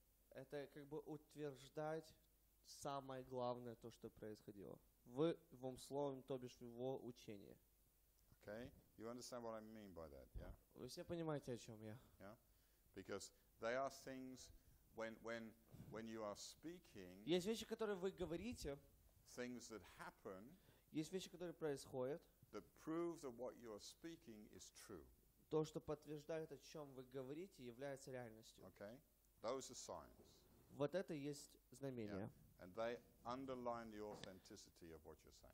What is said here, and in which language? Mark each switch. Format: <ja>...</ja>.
<ru>Это как бы утверждать самое главное то, что происходило. В его слове, то бишь в его учении.</ru> <en>Okay, you understand what I mean by that, yeah?</en> <ru>Вы все понимаете, о чем я.</ru> <en>Yeah, because they are things, when you are speaking.</en> <ru>Есть вещи, которые вы говорите.</ru> <en>Things that happen.</en> <ru>Есть вещи, которые происходят.</ru> <en>That prove that what you are speaking is true.</en> <ru>То, что подтверждает, о чем вы говорите, является реальностью.</ru> <en>Okay, those are signs.</en> <ru>Вот это есть знамения.</ru> <en>Yeah. And they underline the authenticity of what you're saying.</en>